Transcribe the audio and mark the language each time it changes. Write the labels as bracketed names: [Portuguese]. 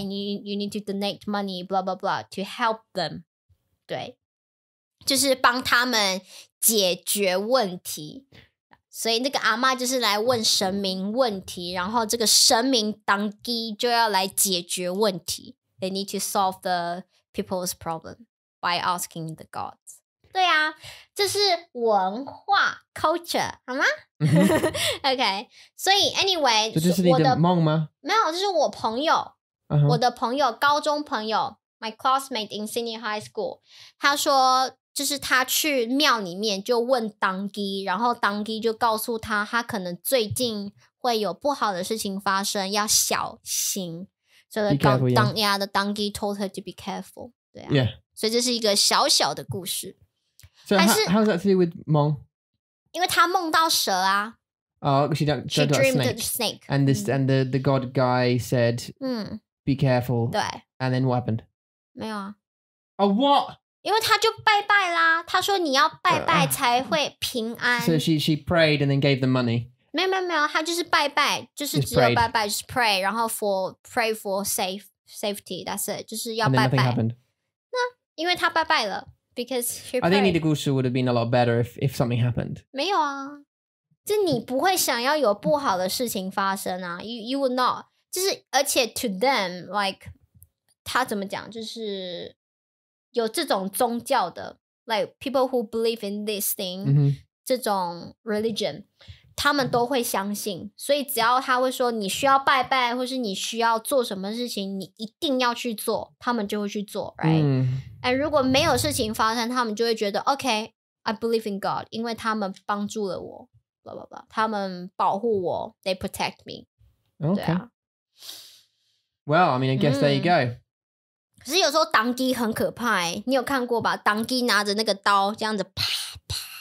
[English] You need to donate money. Blah blah blah to help them. [Chinese] 对，就是帮他们解决问题。所以那个阿嬷就是来问神明问题，然后这个神明当机就要来解决问题。 [English] They need to solve the people's problem by asking the gods. [Chinese] 对啊，这是文化 culture 好吗？OK， 所以 anyway，这就是你的梦吗？没有，这是我朋友， 我的朋友，高中朋友 ， [English] my classmate in senior high school， [Chinese] 他说。就是他去庙里面就问当机，然后当机就告诉他，他可能最近会有不好的事情发生，要小心。所以当机 [English] told her to be careful， [Chinese] 对啊。 [English] Yeah. [Chinese] 所以这是一个小小的故事。 [English] So how's that to do with 梦？ [Chinese] 因为他梦到蛇啊。 [English] She dreamed a snake. And the god guy said, be careful. [Chinese] 对。 [English] And then what happened? [Chinese] 没有啊。 [English] Oh, what? [Chinese] 因为他就拜拜啦，他说你要拜拜才会平安。 [English] So she prayed and then gave them money. [Chinese] 没有没有没有，他就是拜拜，就是只有拜拜，就是 pray， 然后 [English] pray for safety. That's it. [Chinese] 就是要拜拜。 [English] And then nothing happened. [Chinese] 那因为他拜拜了 ， [English] because I think [Chinese] 你的故事 [English] would have been a lot better if something happened. [Chinese] 没有啊，就你不会想要有不好的事情发生啊 [English] you would not [Chinese] 就是而且 [English] to them like [Chinese] 他怎么讲就是有这种宗教的 [English] like people who believe in this thing、 mm-hmm. [Chinese] 这种 religion 他们都会相信所以只要他会说你需要拜拜或是你需要做什么事情你一定要去做他们就会去做 right、mm-hmm. and 如果没有事情发生他们就会觉得 [English] OK I believe in God [Chinese] 因为他们帮助了我 blah blah blah 他们保护我 [English] they protect me、 okay. [Chinese] 对啊 [English] well I mean I guess、mm-hmm. there you go [Chinese] 可是有时候当机很可怕、欸、你有看过吧当机拿着那个刀这样子啪啪